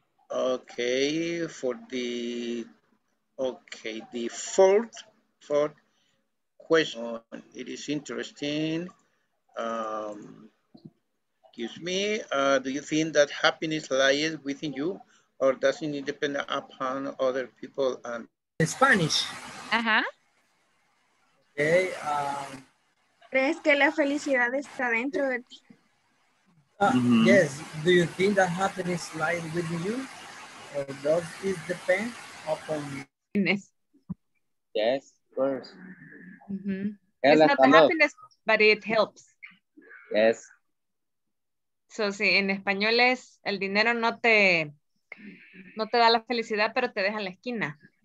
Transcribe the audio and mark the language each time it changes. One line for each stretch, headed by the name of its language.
English: Okay, for the fourth question, it is interesting. Do you think that happiness lies within you, or does it depend upon other people? And in Spanish. Uh-huh. Okay.
Spanish: ¿Crees que la felicidad está dentro de ti?
English: Mm-hmm. Yes. Do you think that happiness lies within you, or does it depend upon happiness? Yes, of course. Mm-hmm. Yeah, it's not the happiness, but it helps. Yes.
Spanish: So, sí, en español es el dinero no te da la felicidad, pero te deja en la esquina.